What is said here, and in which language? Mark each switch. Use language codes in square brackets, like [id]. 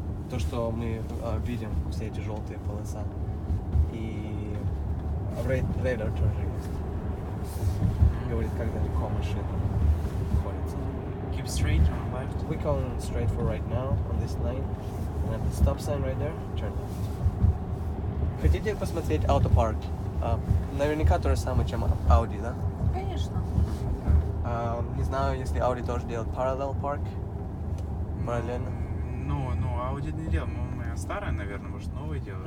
[ru] То, что мы видим, все эти желтые полосы. И радар тоже есть. Говорит, как далеко машина находится. [en] Keep straight on left. We call it straight for right now on this lane. And at the stop sign right there, turn left. [ru] Хотите посмотреть автопарк? Наверняка то же самое, чем Audi, да? Конечно. Не знаю, если Audi тоже делает [en] parallel park. [ru] Параллельно. Ну, Audi не делал. Моя старая, наверное, может, новый делает.